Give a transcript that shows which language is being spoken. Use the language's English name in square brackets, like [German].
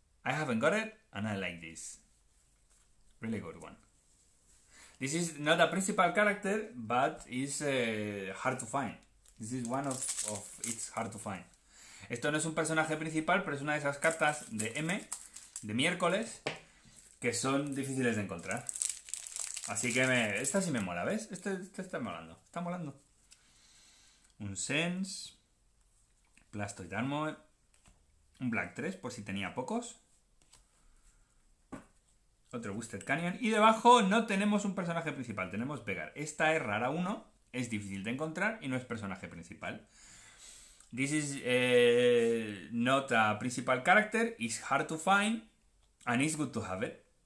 [English] I haven't got it and I like this. Really good one. This is not a principal character, but it's hard to find. This is one of it's hard to find. [Spanish] Esto no es un personaje principal, pero es una de esas cartas de M, de miércoles, que son difíciles de encontrar. Así que esta sí me mola, ¿ves? Este está molando. Está molando. Un Sense. Plastoid Armor. Un Black 3, por si tenía pocos. Otro Boosted Canyon. Y debajo no tenemos un personaje principal, tenemos Vegar. Esta es rara 1. Es difícil de encontrar y no es personaje principal. [English] This is not a principal character. It's hard to find and it's good to have it.